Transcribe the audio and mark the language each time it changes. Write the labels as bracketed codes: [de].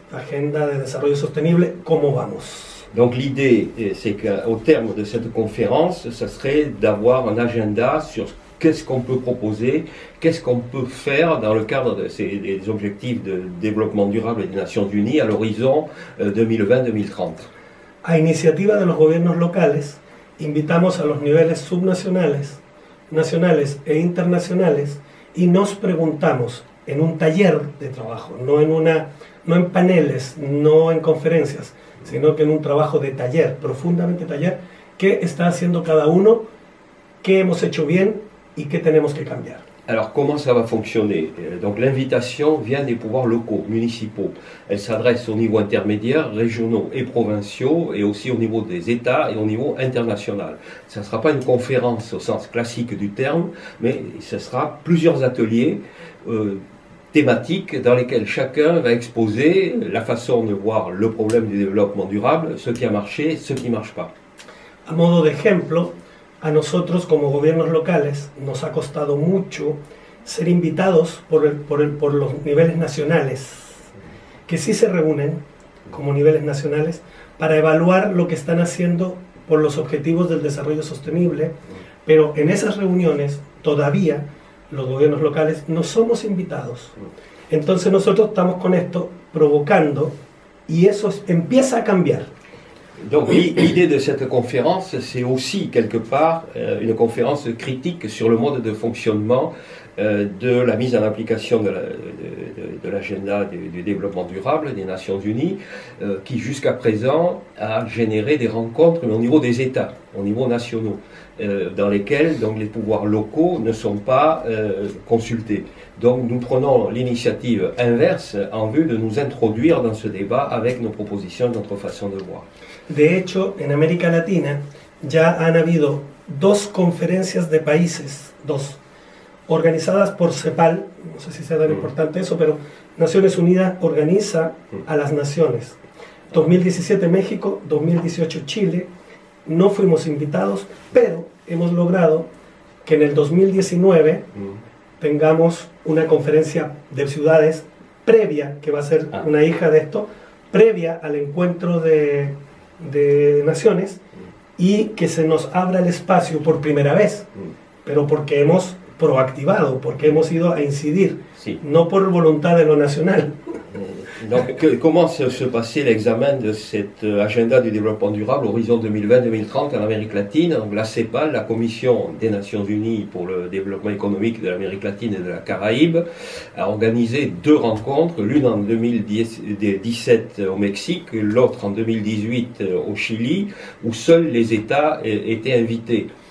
[es] agenda de desarrollo sostenible, ¿cómo vamos? [fr] Donc l'idée, c'est qu'au terme de cette conférence, ce serait d'avoir un agenda sur qu'est-ce qu'on peut proposer, qu'est-ce qu'on peut faire dans le cadre de des objectifs de développement durable des Nations Unies à l'horizon 2020-2030. [es] A iniciativa de los gobiernos locales, invitamos a los niveles subnacionales, nacionales e internacionales y nos preguntamos en un taller de trabajo, no en paneles, no en conferencias, sino que en un trabajo de taller, profundamente taller, qué está haciendo cada uno, qué hemos hecho bien y qué tenemos que cambiar. [fr] Alors comment ça va fonctionner? Donc l'invitation vient des pouvoirs locaux, municipaux. Elle s'adresse au niveau intermédiaire, régionaux et provinciaux, et aussi au niveau des États et au niveau international. Ça ne sera pas une conférence au sens classique du terme, mais ce sera plusieurs ateliers thématiques dans lesquels chacun va exposer la façon de voir le problème du développement durable, ce qui a marché, ce qui ne marche pas. [es] À modo [fr] d'exemple, [es] a nosotros como gobiernos locales nos ha costado mucho ser invitados por los niveles nacionales, que sí se reúnen como niveles nacionales para evaluar lo que están haciendo por los objetivos del desarrollo sostenible, pero en esas reuniones todavía los gobiernos locales no somos invitados. Entonces nosotros estamos con esto provocando y eso empieza a cambiar. [fr] Donc l'idée de cette conférence, c'est aussi quelque part une conférence critique sur le mode de fonctionnement de la mise en application de l'agenda du développement durable des Nations Unies, qui jusqu'à présent a généré des rencontres au niveau des États, au niveau nationaux, dans lesquels donc, les pouvoirs locaux ne sont pas consultés. Donc nous prenons l'initiative inverse en vue de nous introduire dans ce débat avec nos propositions, notre façon de voir. [es] De hecho, en América Latina ya han habido dos conferencias de países, dos, organizadas por CEPAL, no sé si sea tan importante eso, pero Naciones Unidas organiza a las naciones. 2017 México, 2018 Chile, no fuimos invitados, pero hemos logrado que en el 2019 tengamos una conferencia de ciudades previa, que va a ser una hija de esto, previa al encuentro de naciones y que se nos abra el espacio por primera vez, pero porque hemos proactivado, porque hemos ido a incidir, sí. No por voluntad de lo nacional. [fr] Donc, comment se passait l'examen de cet agenda du développement durable horizon 2020-2030 en Amérique latine? Donc, la CEPAL, la Commission des Nations Unies pour le développement économique de l'Amérique latine et de la Caraïbe, a organisé deux rencontres, l'une en 2017 au Mexique, l'autre en 2018 au Chili, où seuls les États étaient invités.